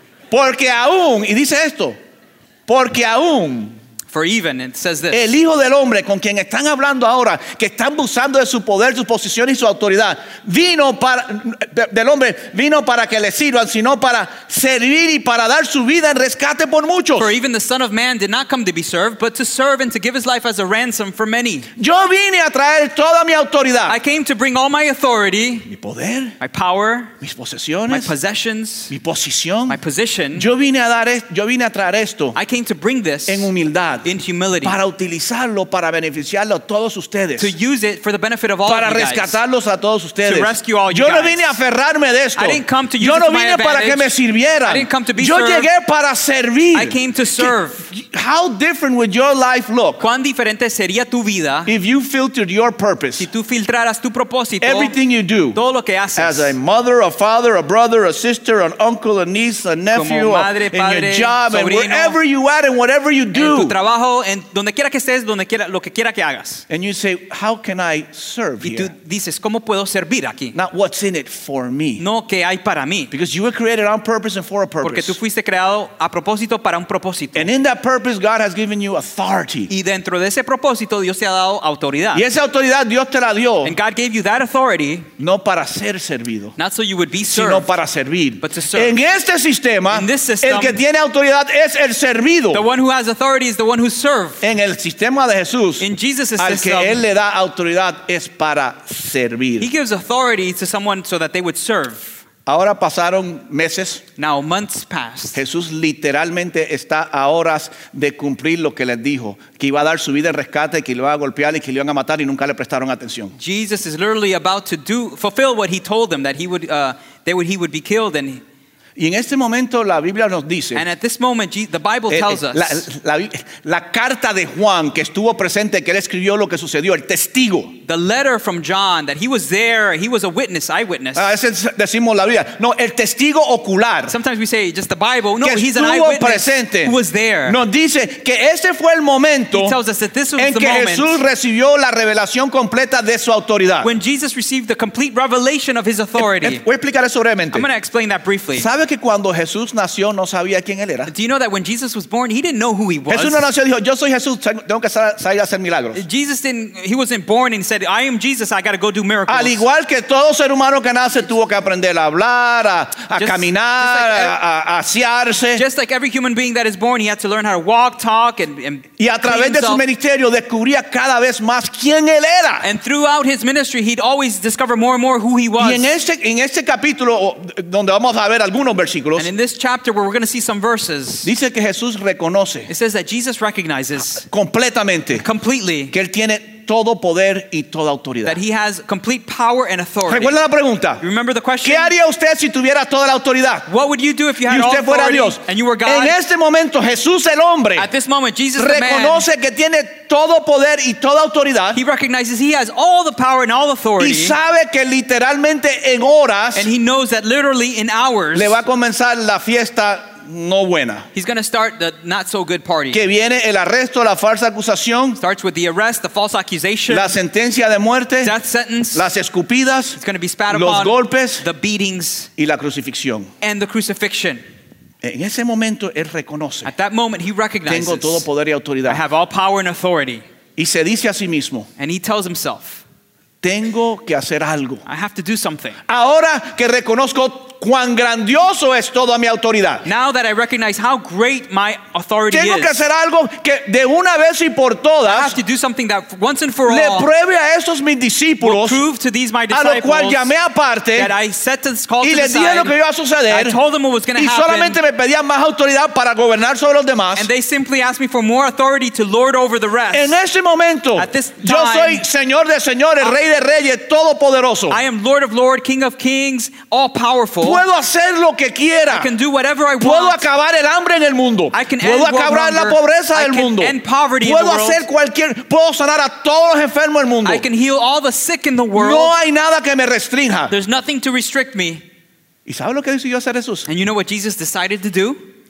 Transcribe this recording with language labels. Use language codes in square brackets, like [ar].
[es] Porque aún, y dice esto, porque aún... [en] For even, it says this. [es] El hijo del hombre con quien están hablando ahora, que están abusando de su poder, su posición y su autoridad, vino para, del hombre, vino para que le sirvan, sino para servir y para dar su vida en rescate por muchos. [en] For even the son of man did not come to be served, but to serve and to give his life as a ransom for many. [es] Yo vine a traer toda mi autoridad. [en] I came to bring all my authority. [es] Mi poder. [en] My power. [es] Mis posesiones. [en] My possessions. [es] Mi posición. [en] My position. [es] Yo vine a traer esto. [en] I came to bring this. [es] En humildad. [en] In humility. [es] Para utilizarlo, para beneficiarlo a todos ustedes. [en] To use it for the benefit of all [es] para [en] of you [es] rescatarlos [en] guys. [es] A todos ustedes. [en] To rescue all [es] yo [en] you [es] no [en] guys. [es] Vine a aferrarme de esto. [en] I didn't come to use [es] yo no vine [en] my advantage. [es] Para que me sirvieran. [en] I didn't come to be [es] yo [en] served. [es] Llegué para servir. [en] I came to serve. How different would your life look? [es] ¿Cuán diferente sería tu vida? [en] If you filtered your purpose. [es] Si tú filtraras tu propósito. [en] Everything you do. [es] Todo lo que haces. [en] As a mother, a father, a brother, a sister, an uncle, a niece, a nephew, [es] como madre, padre, [en] in your job, [es] sobrino, [en] and wherever you are and whatever you do. [es] En tu trabajo, en donde quiera que estés, donde quiera, lo que quiera que hagas. [en] And you say, how can I serve [es] y tú [en] here? [es] Dices, ¿cómo puedo servir aquí? [en] Not what's in it for me. [es] No, ¿qué hay para mí? [en] Because you were created on purpose and for a purpose. [es] Porque tú fuiste creado a propósito para un propósito. [en] And in that purpose, God has given you authority. [es] Y dentro de ese propósito, Dios te ha dado autoridad. Y esa autoridad Dios te la dio. [en] And God gave you that authority. [es] No para ser servido. [en] Not so you would be served. [es] Sino para servir. [en] But to serve. [es] En este sistema, [en] in this system, [es] el que tiene autoridad es el servido. [en] The one who has authority is the one who serve. [es] En el sistema de Jesús, [en] in Jesus' [es] al [en] system, [es] que él le da autoridad es para servir. [en] He gives authority to someone so that they would serve. [es] Ahora pasaron meses. [en] Now months passed. [es] Jesús literalmente está a horas de cumplir lo que les dijo, que iba a dar su vida en rescate, que lo iba a golpear y que lo iban a matar y nunca le prestaron atención. [en] Jesus is literally about to fulfill what he told them that he would be killed and [es] Y en este momento la Biblia nos dice. [en] And at this moment, the Bible tells us. [es] La carta de Juan que estuvo presente, que él escribió lo que sucedió, el testigo. [en] The letter from John that he was there, he was a witness, eyewitness. [es] A veces decimos la Biblia, no, el testigo ocular. [en] Sometimes we say just the Bible. No, he's an eyewitness. [es] Presente. [en] Who was there? [es] Nos dice que ese fue el momento. [en] He tells us that this was [es] en [en] the [es] que [en] moment [es] Jesús recibió la revelación completa de su autoridad. [en] When Jesus received the complete revelation of his authority. [es] Voy a explicar eso brevemente. [en] I'm going to explain that briefly. [es] ¿Sabe que cuando Jesús nació no sabía quién él era? [en] Do you know that when Jesus was born, he didn't know who he was? [es] Jesús no nació y dijo, yo soy Jesús, tengo que salir a hacer milagros. [en] Jesus didn't, he wasn't born and said, I am Jesus, I got to go do miracles. [es] Al igual que todo ser humano que nace tuvo que aprender a hablar, a caminar, a asearse. [en] Just like every human being that is born, he had to learn how to walk, talk, and [es] y a través de su ministerio descubría cada vez más quién él era. [en] And throughout his ministry, he'd always discover more and more who he was. [es] Y en este capítulo, donde vamos a ver algunos versículos, [en] and in this chapter where we're going to see some verses, [es] dice que Jesús reconoce, [en] it says that Jesus recognizes [es] completamente, [en] completely, [es] que él tiene todo poder y toda autoridad. [en] That he has complete power and authority. [es] ¿Recuerda la pregunta? [en] You remember the question? [es] ¿Qué haría usted si tuviera toda la autoridad? [en] What would you do if you had [es] y usted [en] all [es] fuera Dios? [en] And you were God? [es] En este momento, Jesús el hombre, [en] at this moment, Jesus the [es] reconoce [en] man, [es] que tiene todo poder y toda autoridad. [en] He recognizes he has all the power and all authority. [es] Y sabe que literalmente en horas, [en] and he knows that literally in hours, [es] le va a comenzar la fiesta no buena. [en] He's going to start the not so good party. [es] Que viene el arresto, la falsa acusación. [en] Starts with the arrest, the false accusation. [es] La sentencia de muerte. [en] Death sentence. [es] Las escupidas. [en] It's going to be spat upon. [es] Los golpes. [en] The beatings. [es] Y la crucifixión. [en] And the crucifixion. [es] En ese momento él reconoce. [en] At that moment he recognizes. [es] Tengo todo poder y autoridad. [en] I have all power and authority. [es] Y se dice a sí mismo. [en] And he tells himself. [es] Tengo que hacer algo. [en] I have to do something. [es] Ahora que reconozco cuán grandioso es toda mi autoridad. [en] Now that I recognize how great my authority [es] tengo [en] is. [es] Tengo que hacer algo que de una vez y por todas. [en] I have to do something that once and for [es] le [en] all. [es] Le pruebe a estos mis discípulos. [en] Prove to these my disciples. [es] A lo cual llamé aparte. [en] That I set to call [es] y les dije lo que iba a suceder. [en] I told them what was going to happen. [es] Y solamente me pedían más autoridad para gobernar sobre los demás. [en] And they simply asked me for more authority to lord over the rest. [es] En este momento. [en] At this time, [es] yo soy Señor de señores, Rey de reyes, Todopoderoso. [en] I am Lord of lords, King of kings, all powerful. [es] Puedo hacer lo que quiera. [en] I can do whatever I want. [es] Puedo acabar el hambre en el mundo. [en] I can [es] puedo [en] end [es] acabar [en] world [es] la pobreza del mundo. [en] I can end poverty [es] puedo [en] in the [es] hacer [en] world. [es] Cualquier puedo sanar a todos los enfermos del mundo. [en] I can heal all the sick in the world. [es] No hay nada que me restrinja. [en] There's nothing to restrict me. [es] ¿Y sabe lo que decidió hacer Jesús? [en] And you know what Jesus decided to do?